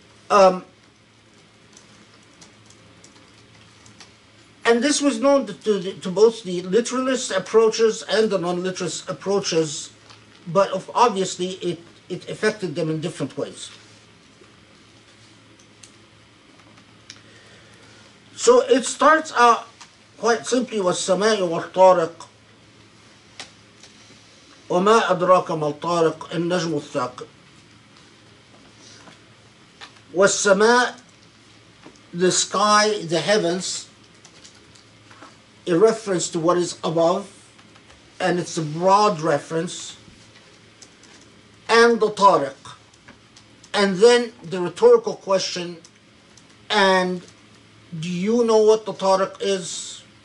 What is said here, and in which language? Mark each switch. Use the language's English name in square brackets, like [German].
[English] And this was known to both the literalist approaches and the non-literalist approaches, but obviously it affected them in different ways. So it starts out quite simply with [Arabic] السَّمَاءِ وَالطَّارِقِ وَمَا أَدْرَاكَ مَا الطَّارِقِ النَّجْمُ الثَّاقِبُ. [English] وَالسَّمَاءِ, the sky, the heavens, a reference to what is above, and it's a broad reference, and the طَارِق, and then the rhetorical question, and do you know what the Tariq is?